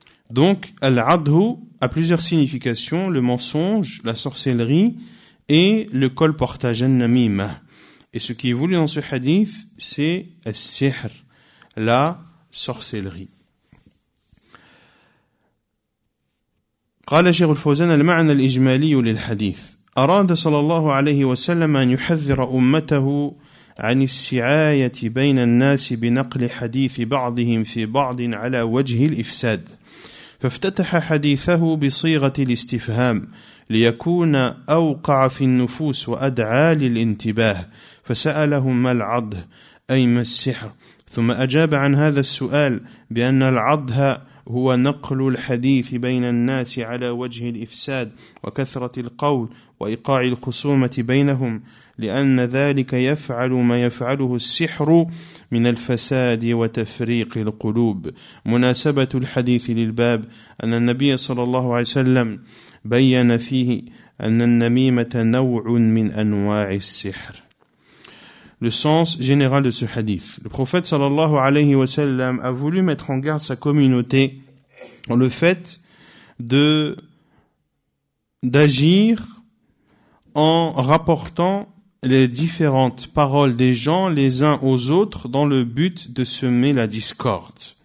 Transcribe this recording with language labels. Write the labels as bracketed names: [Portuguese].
[French] Donc, Al-Adhu a plusieurs significations: le mensonge, la sorcellerie et le colportage, Namima. Et ce qui est voulu dans ce hadith, c'est al-sihr, la sorcellerie. [Arabic] قال شيخ الفوزان المعنى الإجمالي للحديث أراد صلى الله عليه وسلم أن يحذر أمته عن السعاية بين الناس بنقل حديث بعضهم في بعض على وجه الإفساد. فافتتح حديثه بصيغة الاستفهام ليكون أوقع في النفوس وأدعى للانتباه. فسألهم ما العض أي ما السحر، ثم أجاب عن هذا السؤال بأن العض هو نقل الحديث بين الناس على وجه الإفساد وكثرة القول وإيقاع الخصومة بينهم، لأن ذلك يفعل ما يفعله السحر من الفساد وتفريق القلوب. مناسبة الحديث للباب أن النبي صلى الله عليه وسلم بيّن فيه أن النميمة نوع من أنواع السحر. [French] Le sens général de ce hadith. Le prophète sallallahu alayhi wa sallam a voulu mettre en garde sa communauté dans le fait d'agir en rapportant les différentes paroles des gens les uns aux autres dans le but de semer la discorde.